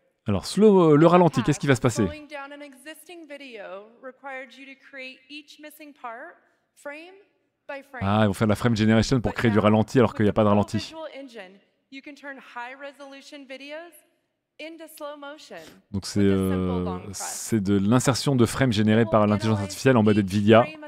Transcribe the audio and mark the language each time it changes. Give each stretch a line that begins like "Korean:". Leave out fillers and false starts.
French: Alors, slow, le ralenti, qu'est-ce qui va se passer ?
English: Going down an existing video required you to create each missing part, frame by frame.
French: Ah, ils vont faire la frame generation pour créer du ralenti alors qu'il n'y a pas de ralenti.
English: You can turn high resolution videos into slow motion.
French: Donc c'est de l'insertion de frames générées par l'intelligence artificielle en mode NVIDIA.